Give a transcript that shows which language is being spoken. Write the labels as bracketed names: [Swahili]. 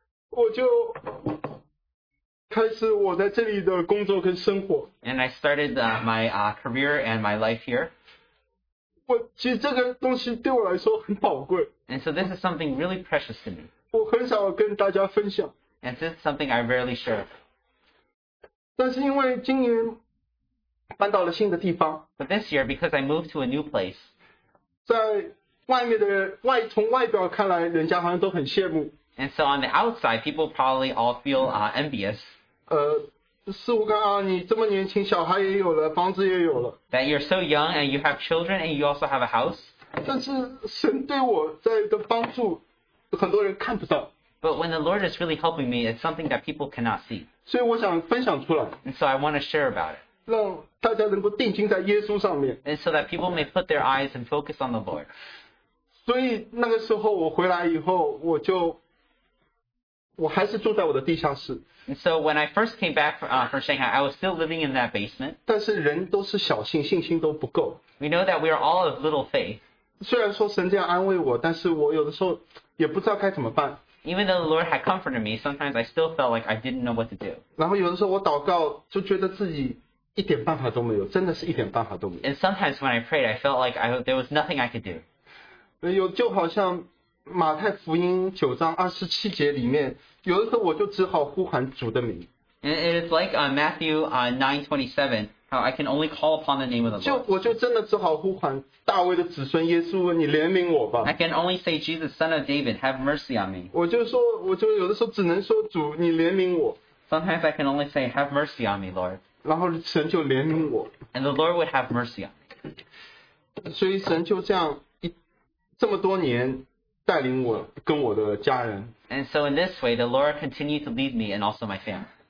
[Chinese] 我就开始我在这里的工作跟生活。 [English] And I started my career and my life here. [Chinese] 我其实这个东西对我来说很宝贵。 [English] And so this is something really precious to me. [Chinese] 我很少跟大家分享。 [English] And this is something I rarely share. [Chinese] 但是因为今年搬到了新的地方。 [English] But this year, because I moved to a new place, [Chinese] 在外面的从外表看来，人家好像都很羡慕。 [English] And so on the outside, people probably all feel envious. [Chinese] 似乎刚刚你这么年轻，小孩也有了，房子也有了。 [English] That you're so young and you have children and you also have a house. [Chinese] 但是神对我在的帮助，很多人看不到。 [English] But when the Lord is really helping me, it's something that people cannot see. [Chinese] 所以我想分享出来。 [English] And so I want to share about it. [Chinese] 让大家能够定睛在耶稣上面。 [English] And so that people may put their eyes and focus on the Lord. [Chinese] 所以那个时候我回来以后，我还是住在我的地下室。 [English] And so when I first came back from Shanghai, I was still living in that basement. [Chinese] 但是人都是小信，信心都不够。 [English] We know that we are all of little faith. [Chinese] 虽然说神这样安慰我，但是我有的时候也不知道该怎么办。 [English] Even though the Lord had comforted me, sometimes I still felt like I didn't know what to do. [Chinese] 然后有的时候我祷告，就觉得自己一点办法都没有，真的是一点办法都没有。 [English] And sometimes when I prayed, I felt like there was nothing I could do. [Chinese] 有就好像马太福音9:27里面，有的时候我就只好呼喊主的名。 [English] And it is like Matthew 9:27, how I can only call upon the name of the Lord. [Chinese] 我就真的只好呼喊大卫的子孙耶稣，你怜悯我吧。 [English] I can only say, Jesus, son of David, have mercy on me. [Chinese] 我就有的时候只能说主，你怜悯我。 [English] Sometimes I can only say, have mercy on me, Lord. [Chinese] 然后神就怜悯我。 [English] And the Lord would have mercy on me. [Chinese] 所以神就这样这么多年带领我跟我的家人。 [English] And so in this way, the Lord continued to lead me and also my family.